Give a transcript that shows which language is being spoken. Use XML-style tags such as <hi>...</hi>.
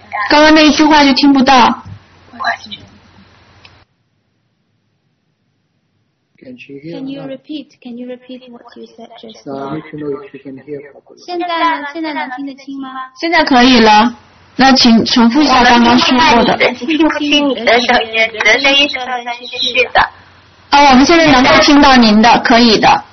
<zh>刚刚那一句话就听不到。</zh> <en>Can you repeat what you said just now? I need to know if you can hear properly.</en> <zh>现在能听得清吗？现在可以了。那请重复一下刚刚说过的。听不清你的声音，你的声音是断断续续的。啊，我们现在能够听到您的，可以的。</zh>